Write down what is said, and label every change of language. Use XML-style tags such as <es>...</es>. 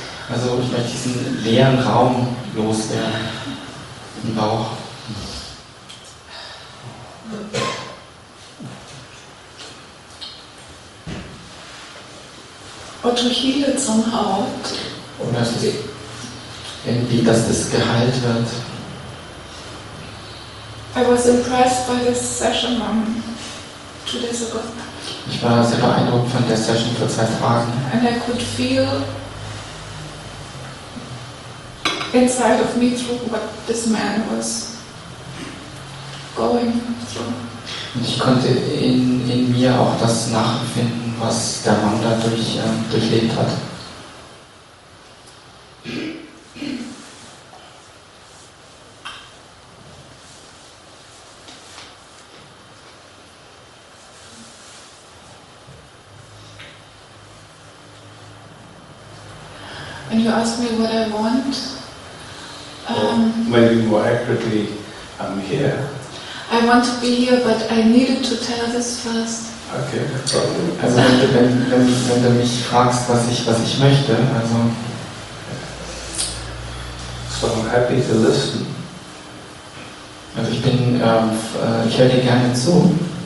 <de>Also ich möchte diesen leeren Raum loswerden, im Bauch.</de> <en>I Or to heal it somehow.</en> <de>Und dass es irgendwie, dass das geheilt wird.</de> <en>I was impressed by this session 2 days ago.</en> <de>Ich war sehr beeindruckt von der Session vor 2 Tagen.</de> <en>And I could feel inside of me through what this man was going through.</en> <de>Und ich konnte in mir auch das nachfinden, was der Mann da durchlebt hat.</de> <en>And you asked me what I want. When you were actually here. I want to be here, but I needed to tell this first. Okay.</en> <de>Also wenn du mich fragst, was ich möchte, also.</de> <en>So I'm happy to listen.</en> <de>Also ich bin, ich höre dir gerne zu.</de>